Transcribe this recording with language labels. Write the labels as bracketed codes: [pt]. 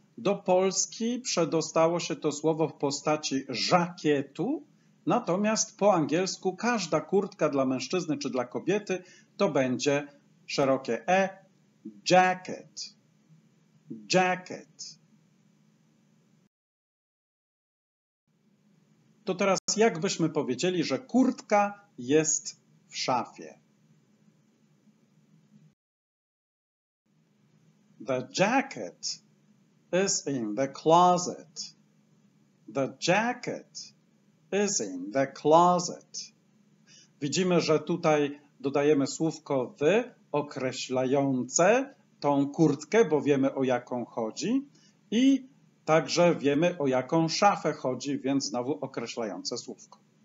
[pl] Do Polski przedostało się to słowo w postaci żakietu, natomiast po angielsku każda kurtka dla mężczyzny czy dla kobiety to będzie szerokie E, jacket, jacket. To teraz jak byśmy powiedzieli, że kurtka jest w szafie. [en] The jacket is in the closet. The jacket is in the closet. [pl] Widzimy, że tutaj dodajemy słówko the określające tą kurtkę, bo wiemy o jaką chodzi i także wiemy o jaką szafę chodzi, więc znowu określające słówko.